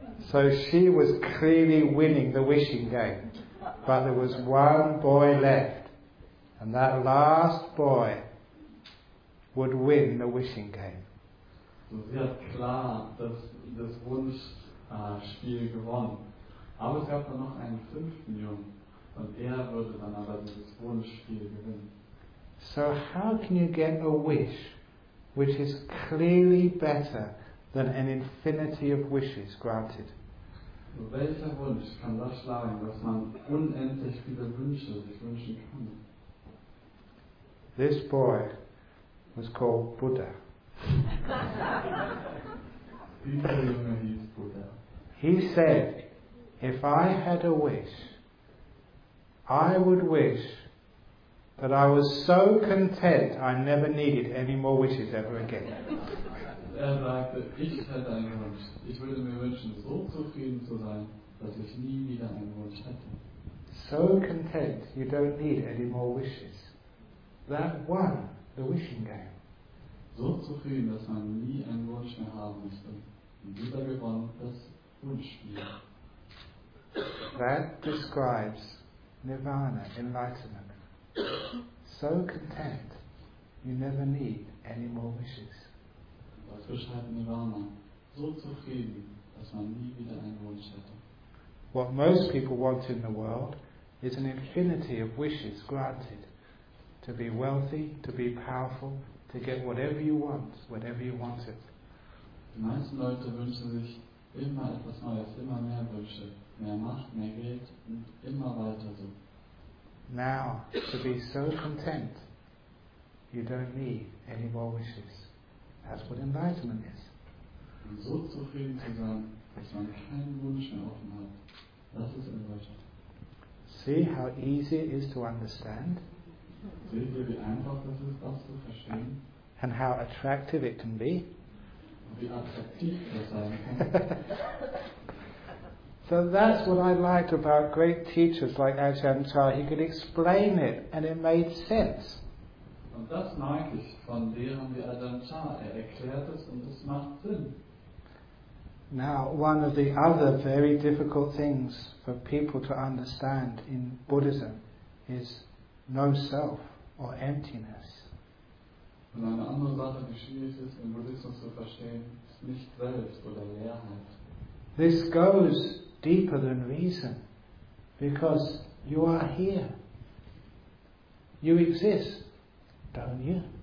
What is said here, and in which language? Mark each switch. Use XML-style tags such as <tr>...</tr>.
<en>So she was clearly winning the wishing game. But there was one boy left. And that last boy would win the wishing game.</en> <de>So sie hat klar das Wunschspiel gewonnen. Aber es gab dann noch einen fünften Jungen. Und würde dann aber dieses Wunschspiel gewinnen.</de> <en>So how can you get a wish which is clearly better than an infinity of wishes granted?</en> <de>Welcher Wunsch kann das schlagen, dass man unendlich viele Wünsche sich wünschen kann?</de> <en>This boy was called Buddha.</en> <de>Dieser Junge hieß Buddha.</de> <en>He said, if I had a wish, I would wish that I was so content I never needed any more wishes ever again.</en> <de>Er sagte, ich hätte einen Wunsch. Ich würde mir wünschen, so zufrieden zu sein, dass ich nie wieder einen Wunsch hätte.</de> <en>So content, you don't need any more wishes. That won the wishing game.</en> <de>So zufrieden, dass man nie einen Wunsch mehr haben müsste. Und wieder gewonnen, das Wunschspiel.</de> <en>That describes Nirvana, enlightenment. So content, you never need any more wishes.</en> <de>Das beschreibt Nirvana. So zufrieden, dass man nie wieder einen Wunsch hätte.</de> <en>What most people want in the world is an infinity of wishes granted. To be wealthy, to be powerful, to get whatever you want it.</en> <de>Die meisten Leute wünschen sich immer etwas Neues, immer mehr Wünsche, mehr Macht, mehr Geld und immer weiter so.</de> <en>Now, to be so content, you don't need any more wishes. That's what enlightenment is.</en> <de>Und so zufrieden zu sein, dass man keinen Wunsch mehr offen hat. Das ist enlightenment.</de> <en>See how easy it is to understand.</en> <de>Seht ihr, wie einfach das ist, das zu verstehen?</de> <en>And how attractive it can be.</en> <de>Und wie attraktiv das sein kann.</de> <en>So that's what I liked about great teachers like Ajahn Chah. He could explain it and it made sense.</en> <de>Und das mag ich von Lehren wie Ajahn Chah. Er erklärt es und es macht Sinn.</de> <en>Now, one of the other very difficult things for people to understand in Buddhism is no self or emptiness.</en> <de>Und eine andere Sache, die schwierig ist, im Buddhismus zu verstehen, ist nicht selbst oder Leerheit.</de> <en>This goes deeper than reason, because you are here. You exist, don't you?</en>